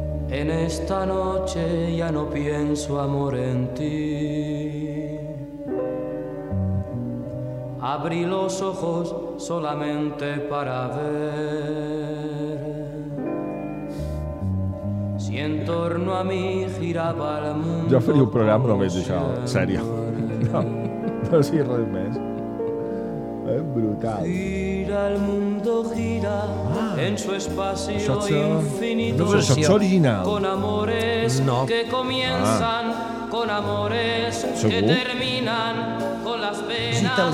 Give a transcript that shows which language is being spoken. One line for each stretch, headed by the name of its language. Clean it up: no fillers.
Spanish: En esta noche ya no pienso amor en ti. Abrí los ojos solamente para ver si en torno a mí giraba el mundo.
Catalan: Jo faria un programa només d'això, sèrio. No, no sé res més. Brutal.
Spanish: Gira el mundo, gira en su espacio infinito.
Catalan: Això és original.
Spanish: Con amores no. Que comienzan, con amores
Catalan: segur?
Spanish: Que terminan, con las penas